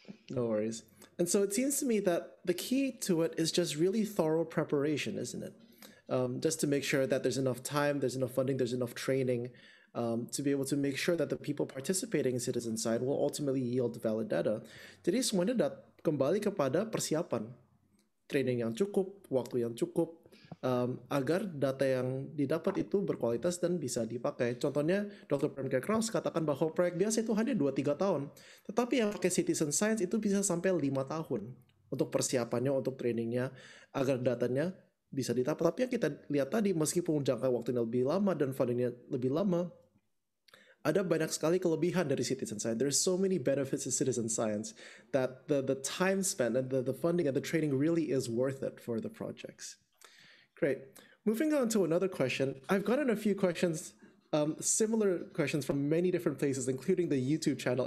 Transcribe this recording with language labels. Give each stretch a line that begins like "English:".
English: No worries. And so it seems to me that the key to it is just really thorough preparation, isn't it? Just to make sure that there's enough time, there's enough funding, there's enough training to be able to make sure that the people participating in citizen side will ultimately yield valid data.
Indonesian: Jadi semuanya dat- kembali kepada persiapan, training yang cukup, waktu yang cukup, agar data yang didapat itu berkualitas dan bisa dipakai. Contohnya, Dr. Pranke Kraus katakan bahwa proyek biasa itu hanya 2-3 tahun, tetapi yang pakai citizen science itu bisa sampai 5 tahun untuk persiapannya, untuk trainingnya, agar datanya bisa didapat. Tapi yang kita lihat tadi, meskipun jangka waktunya lebih lama dan fundingnya lebih lama, ada banyak sekali kelebihan dari citizen science.
English: There's so many benefits to citizen science that the time spent and the funding and the training really is worth it for the projects. Great. Moving on to another question. I've gotten a few questions, similar questions from many different places, including the YouTube channel.